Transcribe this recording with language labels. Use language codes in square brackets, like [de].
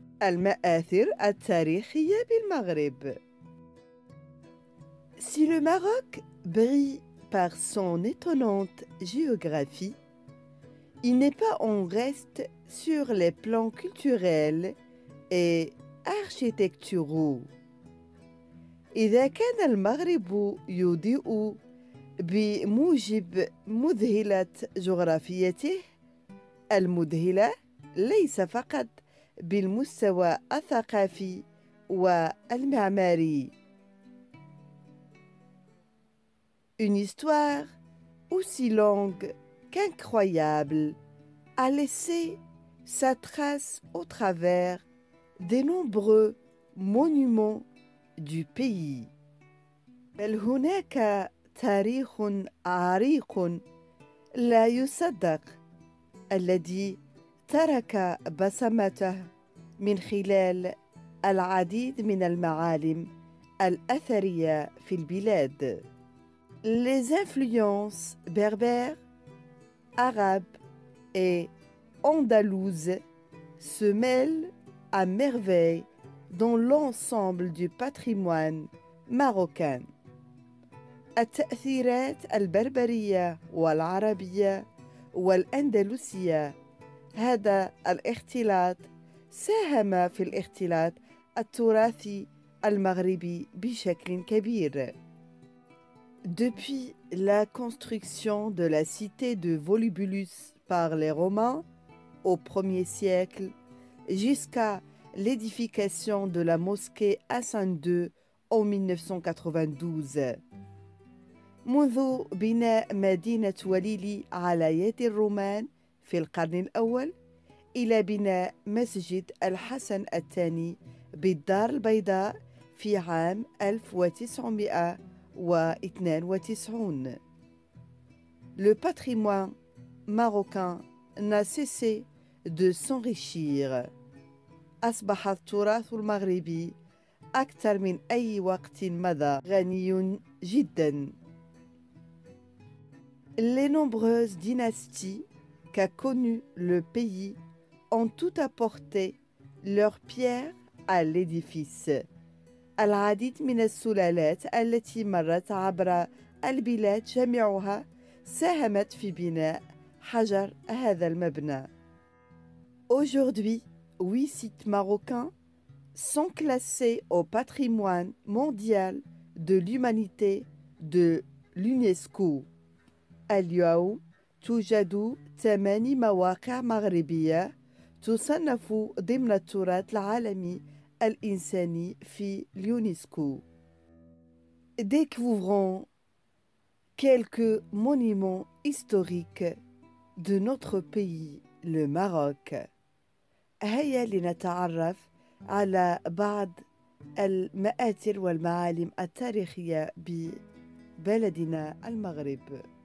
[fr] Al-Ma'athir al-Tarikhiya bil Maghrib. Si le Maroc brille par son étonnante géographie, il n'est pas en reste sur les plans culturels et architecturaux. [ar] إذا كان المغرب يضيء بموجب مذهلة جغرافيته المذهلة ليس فقط بالمستوى الثقافي والمعماري. [fr] Une histoire aussi longue qu'incroyable a laissé sa trace au travers des nombreux monuments du pays. [ar] بل هناك تاريخ عريق لا يصدق الذي ترك بصمته من خلال العديد من المعالم الأثرية في البلاد. [fr] Les influences berbères, arabes et andalouses se mêlent à merveille dans l'ensemble du patrimoine marocain. [ar] التأثيرات البربرية والعربية والأندلسية هذا الاختلاط ساهم في الاختلاط التراثي المغربي بشكل كبير. [fr] Depuis la construction de la cité de Volubilis par les Romains au 1er siècle jusqu'à l'édification de la mosquée Hassan II en 1992. [ar] منذ بناء مدينة وليلي على يد الرومان في القرن الأول إلى بناء مسجد الحسن الثاني بالدار البيضاء في عام 1992. [fr] Le patrimoine marocain n'a cessé de s'enrichir. [ar] أصبح التراث المغربي أكثر من أي وقت مضى غني جدا. [fr] Les nombreuses dynasties qu'a connues le pays ont tout apporté leur pierre à l'édifice. [ar] العديد من السلالات التي مرت عبر البلاد جميعها ساهمت في بناء حجر هذا المبنى. [fr] Aujourd'hui, 8 sites marocains sont classés au patrimoine mondial de l'humanité de l'UNESCO. [ar] اليوم توجد 8 مواقع مغربية تصنف ضمن التراث العالمي الإنساني في اليونسكو. [fr] Découvrons quelques monuments historiques de notre pays, le Maroc. [ar] هيا لنتعرف على بعض المآثر والمعالم التاريخية ببلدنا المغرب.